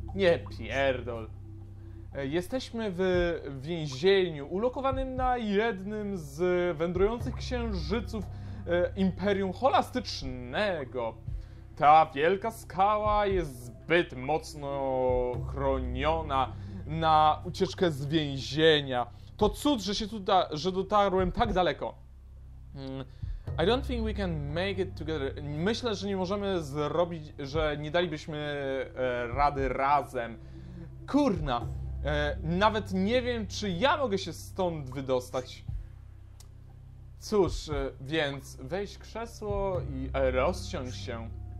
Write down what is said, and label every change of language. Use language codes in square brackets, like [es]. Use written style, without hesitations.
[pl] Nie pierdol. Jesteśmy w więzieniu ulokowanym na jednym z wędrujących księżyców Imperium Holastycznego. Ta wielka skała jest zbyt mocno chroniona na ucieczkę z więzienia. To cud, że dotarłem tak daleko. [en] I don't think we can make it together. [pl] Myślę, że nie możemy zrobić, że nie dalibyśmy rady razem. Kurna, nawet nie wiem, czy ja mogę się stąd wydostać. Cóż, więc weź krzesło i rozsiądź się.